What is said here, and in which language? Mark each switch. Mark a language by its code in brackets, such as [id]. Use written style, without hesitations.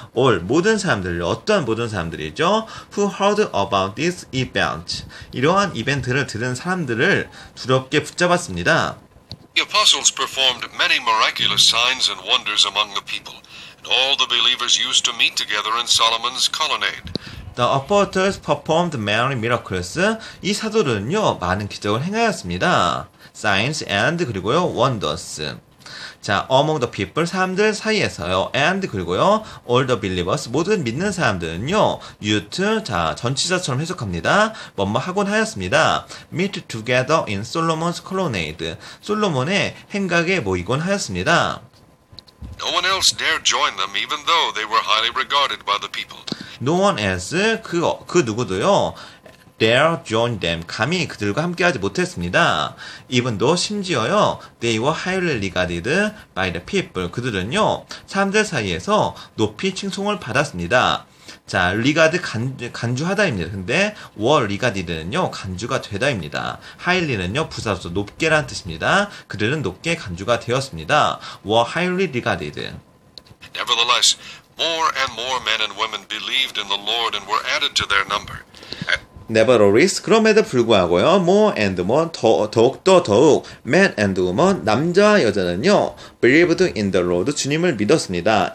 [ko] All 모든 사람들 어떤 모든 사람들이죠. [en] Who heard about this event. [ko] 이러한 이벤트를 들은 사람들을 두렵게 붙잡았습니다. [en] The apostles performed many miraculous signs and wonders among the people. All the believers used to meet together in Solomon's colonnade. The apostles performed many miracles. [ko] 이 사도들은요 많은 기적을 행하였습니다. Signs and 그리고요 wonders. 자, [en] among the people [ko] 사람들 사이에서요 and 그리고요 [en] all the believers [ko] 모든 믿는 사람들은요 used 자 전치사처럼 해석합니다. 뭐뭐 하곤 하였습니다. [en] Meet together in Solomon's colonnade. [ko] 솔로몬의 행각에 모이곤 하였습니다. [en] No one else dared join them, even though they were highly regarded by the people. No one else, [ko] 그 누구도요, [en] dare join them, [ko] 감히 그들과 함께하지 못했습니다. [en] Even though, [ko] 심지어요, [en] they were highly regarded by the people. [ko] 그들은요, 사람들 사이에서 높이 칭송을 받았습니다. 자, regard, 간주하다입니다. 근데, were regarded는요, 간주가 되다입니다. highly는요, 부사로서 높게란 뜻입니다. 그들은 높게 간주가 되었습니다. [en] were highly regarded. Nevertheless, more and more men and women believed in the Lord and were added to their number. Nevertheless, [ko] 그럼에도 불구하고요, [en] more and more, 더욱더 men and women, 남자와 여자는요, believed in the Lord, [ko] 주님을 믿었습니다.